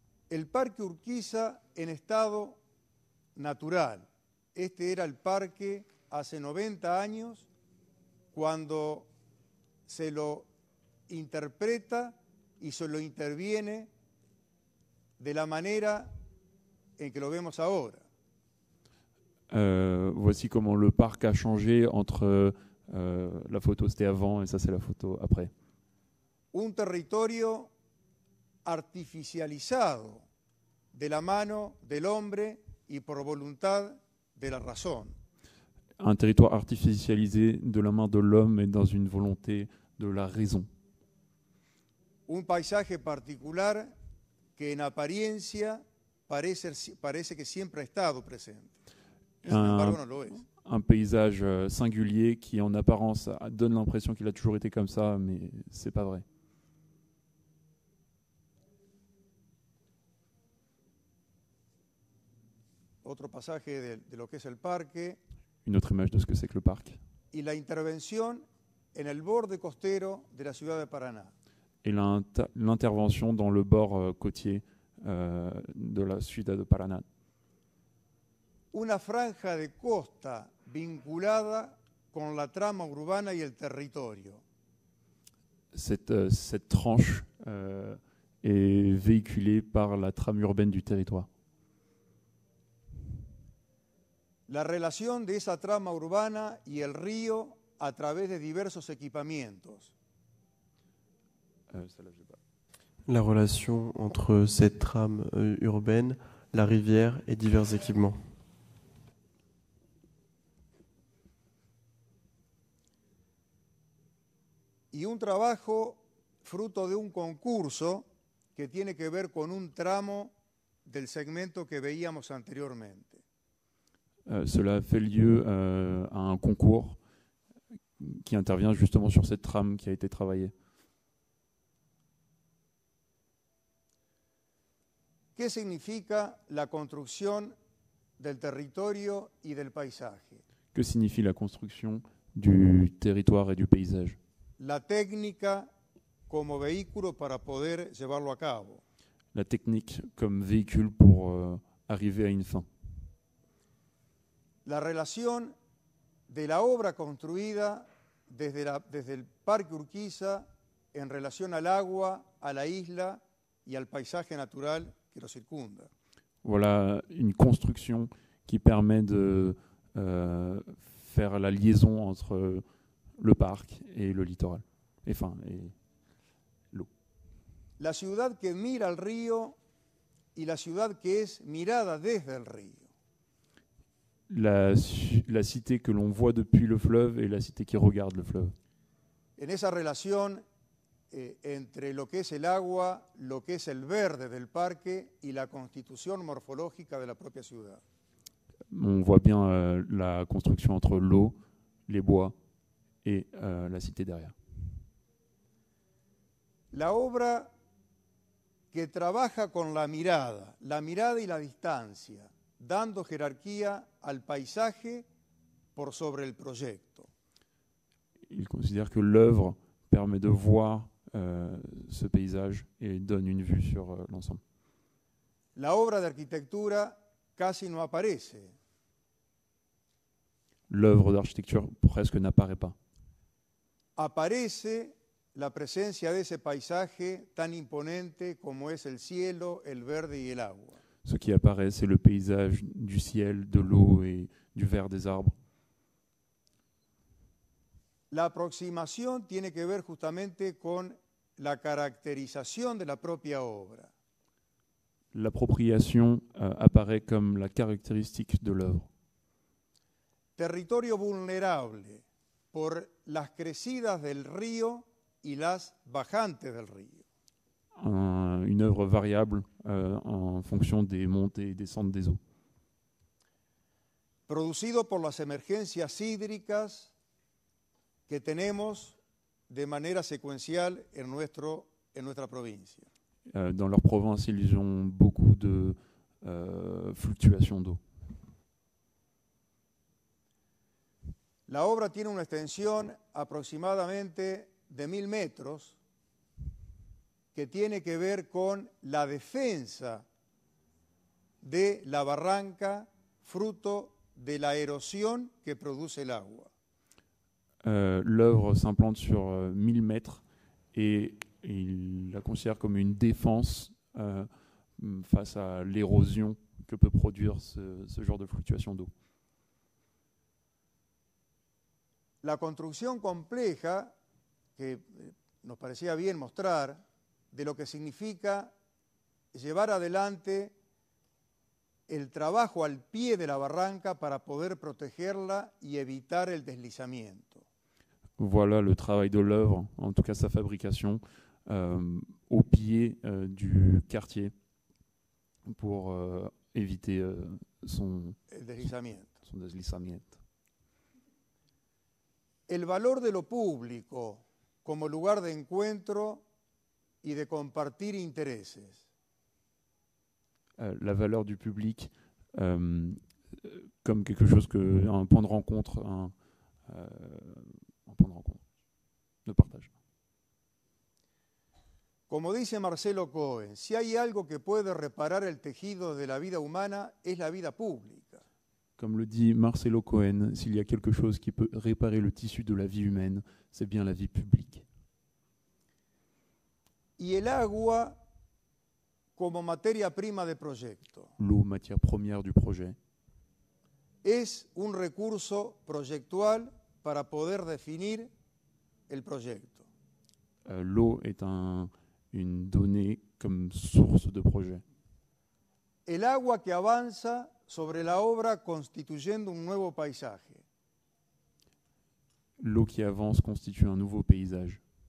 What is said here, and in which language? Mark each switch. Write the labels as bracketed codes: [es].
[es] El parque Urquiza en estado natural. Este era el parque hace 90 años cuando se lo interpreta y se lo interviene de la manera en que lo vemos ahora. [fr] Voici comment le parc a changé entre la photo c'était avant et ça c'est la photo après. [es] Un territorio artificializado de la mano del hombre y por voluntad de la razón. [fr] Un territoire artificialisé de la main de l'homme et dans une volonté de la raison. [es] Un paisaje particular que en apariencia parece que siempre ha estado presente. [fr] Un paysage singulier qui, en apparence, donne l'impression qu'il a toujours été comme ça, mais c'est pas vrai. [es] Otro pasaje de lo que es el parque. [fr] Une autre image de ce que c'est que le parc. [es] Y la intervención en el borde costero de la ciudad de Paraná. [fr] Et l'intervention dans le bord côtier de la [es] ciudad de [fr] Paraná. [es] Una franja de costa vinculada con la trama urbana y el territorio. [fr] Cette tranche est véhiculée par la trame urbaine du territoire. [es] La relación de esa trama urbana y el río a través de diversos equipamientos. [fr] La relation entre cette trame urbaine, la rivière et divers équipements. [es] Y un trabajo fruto de un concurso que tiene que ver con un tramo del segmento que veíamos anteriormente. [fr] Cela fait lieu à un concours qui intervient justement sur cette trame qui a été travaillée. [es] ¿Qué significa la construcción del territorio y del paisaje? [fr] Que signifie la construction du territoire et du paysage? [es] La técnica como vehículo para poder llevarlo a cabo. [fr] La technique comme véhicule pour arriver à une fin. [es] La relación de la obra construida desde el Parque Urquiza en relación al agua, a la isla y al paisaje natural que lo circunda. [fr] Voilà une construction qui permet de faire la liaison entre le parc et le littoral, et l'eau. [es] La ciudad que mira al río y la ciudad que es mirada desde el río. [fr] La cité que l'on voit depuis le fleuve et la cité qui regarde le fleuve. [es] En esa relación entre lo que es el agua, lo que es el verde del parque y la constitución morfológica de la propia ciudad. [fr] On voit bien la construction entre l'eau, les bois et la cité derrière. [es] La obra que trabaja con la mirada y la distancia. Dando jerarquía al paisaje por sobre el proyecto. [fr] Il considère que l'œuvre permet de voir ce paysage et donne une vue sur l'ensemble. [es] La obra de arquitectura casi no aparece. [fr] L'œuvre d'architecture presque n'apparaît pas. [es] Aparece la presencia de ese paisaje tan imponente como es el cielo, el verde y el agua. [fr] Ce qui apparaît, c'est le paysage du ciel, de l'eau et du vert des arbres. L'approximation [es] tiene que ver justamente con la caracterización de la propia obra. [fr] L'appropriation apparaît comme la caractéristique de l'œuvre. [es] Territorio vulnerable por las crecidas del río y las bajantes del río. [fr] Une œuvre variable en fonction des montées et descentes des eaux. [es] Producido por las emergencias hídricas que tenemos de manera secuencial en nuestra provincia. [fr] Dans leur province, ils ont beaucoup de fluctuations d'eau. [es] La obra tiene una extensión aproximadamente de 1000 metros. Que tiene que ver con la defensa de la barranca fruto de la erosión que produce el agua. [fr] L'œuvre s'implante sur 1000 mètres et il la considère comme une défense face à l'érosion que peut produire ce genre de fluctuation d'eau. [es] La construcción compleja, que nos parecía bien mostrar, de lo que significa llevar adelante el trabajo al pie de la barranca para poder protegerla y evitar el deslizamiento. [fr] Voilà le travail de l'œuvre, en tout cas sa fabrication, au pied du quartier pour éviter son [es] deslizamiento. [fr] Son [es] deslizamiento. El valor de lo público como lugar de encuentro y de compartir intereses. [fr] La valeur du public comme quelque chose que un point de rencontre, un point de rencontre, de partage. [es] Como dice Marcelo Cohen, si hay algo que puede reparar el tejido de la vida humana es la vida pública. [fr] Comme le dit Marcelo Cohen, s'il y a quelque chose qui peut réparer le tissu de la vie humaine, c'est bien la vie publique. [es] Y el agua como materia prima de proyecto. [fr] L'eau, matière première du projet. [es] Es un recurso proyectual para poder definir el proyecto. [fr] L'eau est une donnée comme source de projet. [es] El agua que avanza sobre la obra constituyendo un nuevo paisaje. [fr] L'eau qui avance constitue un nouveau paysage.